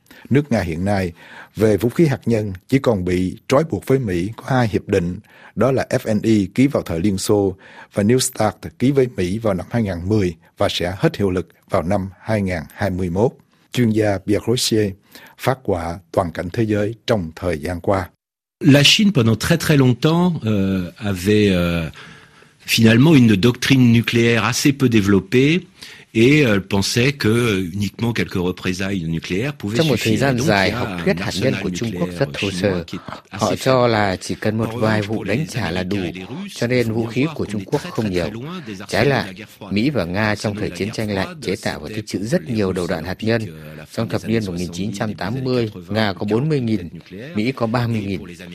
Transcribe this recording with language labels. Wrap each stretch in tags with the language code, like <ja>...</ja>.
<vi>Nước Nga hiện nay về vũ khí hạt nhân chỉ còn bị trói buộc với Mỹ có hai hiệp định, đó là FNI ký vào thời Liên Xô và New START ký với Mỹ vào năm 2010 và sẽ hết hiệu lực vào năm 2021. Chuyên gia Pierre Rocher phát quả toàn cảnh thế giới trong thời gian qua.</vi> <fr>La Chine pendant très très longtemps avait finalement une doctrine nucléaire assez peu développée. et pensait que uniquement quelques représailles nucléaires pouvaient</fr> <vi>trong</vi> <fr>suffire.</fr> <vi>Trong một thời gian dài, học thuyết hạt nhân của Trung Quốc rất thô sơ. Họ cho là chỉ cần một vài vụ đánh trả là đủ, cho nên vũ khí của Trung Quốc không nhiều. Trái lại, Mỹ và Nga trong thời chiến tranh lạnh chế tạo và tích trữ rất nhiều đầu đạn hạt nhân. Trong thập niên 1980, Nga có 40.000, Mỹ có 30.000.</vi>